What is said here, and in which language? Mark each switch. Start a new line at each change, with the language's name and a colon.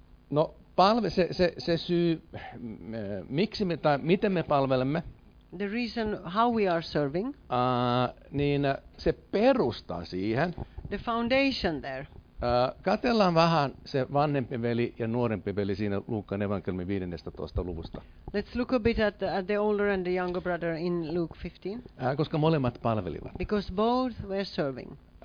Finnish: No se syy miksi me tai miten me palvelemme?
English: The reason how we are serving.
Finnish: Niin se perustaa siihen.
English: The foundation there.
Finnish: Katsellaan vähän se vanhempi veli ja nuorempi veli siinä Luukkaan evankeliumin 15. luvusta.
English: Let's look a bit at the older and the younger brother in Luke 15.
Finnish: Koska molemmat palvelivat. Because both were serving.